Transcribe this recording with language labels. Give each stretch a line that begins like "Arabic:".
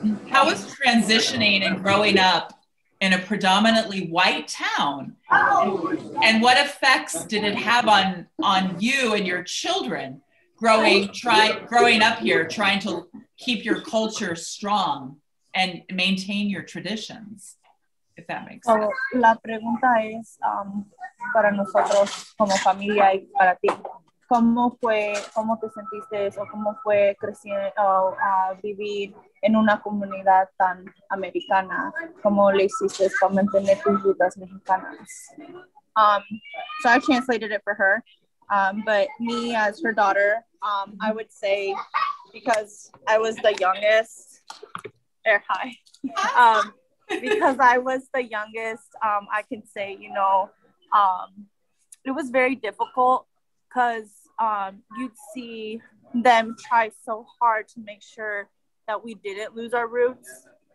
English: How is transitioning and growing up in a predominantly white town? And what effects did it have on you and your children growing up here, trying to keep your culture strong and maintain your traditions? If that makes sense.
Spanish: So la pregunta es para nosotros como familia y para ti, cómo te sentiste o cómo fue creciendo vivir en una comunidad tan americana, cómo le hiciste para mantener tus rutas mexicanas.
English: So I translated it for her, but me as her daughter, I would say because I was the youngest. Because I was the youngest, I can say, you know, it was very difficult because you'd see them try so hard to make sure that we didn't lose our roots.